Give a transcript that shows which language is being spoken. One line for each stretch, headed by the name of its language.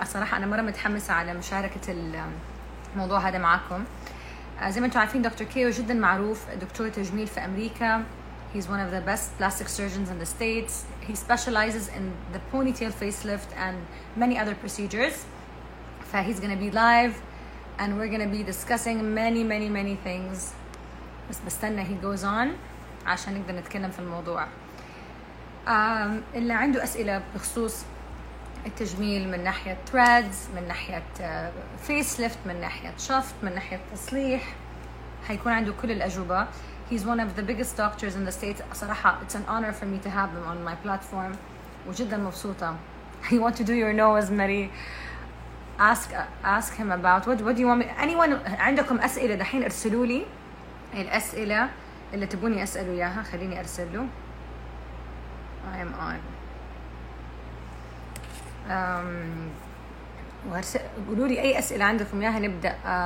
Arabic: الصراحة أنا مرة متحمسة على مشاركة الموضوع هذا معكم. زي ما أنتم عارفين دكتور كيو جدا معروف دكتور تجميل في أمريكا.
English: He's one of the best plastic surgeons in the States. He specializes in the ponytail facelift and many other procedures. فهيز gonna be live and we're gonna be discussing many many many things.
Arabic: بس بستنى
English: he goes on
Arabic: عشان نقدر نتكلم في الموضوع. اللي عنده أسئلة بخصوص التجميل من ناحية threads, من ناحية facelift, من ناحية shaft, من ناحية تصليح, هيكون عنده كل الأجوبة.
English: He's one of the biggest doctors in the States. صراحة it's an honor for me to have him on my platform.
Arabic: وجدا مبسوطة.
English: You want to do your nose, Mary? Ask him about what do you want me...
Arabic: Anyone عندكم أسئلة دحين ارسلوا لي الأسئلة اللي تبوني أسأله إياها. خليني أرسل له.
English: I am on.
Arabic: قولوا لي أي أسئلة عندكم إياها نبدأ.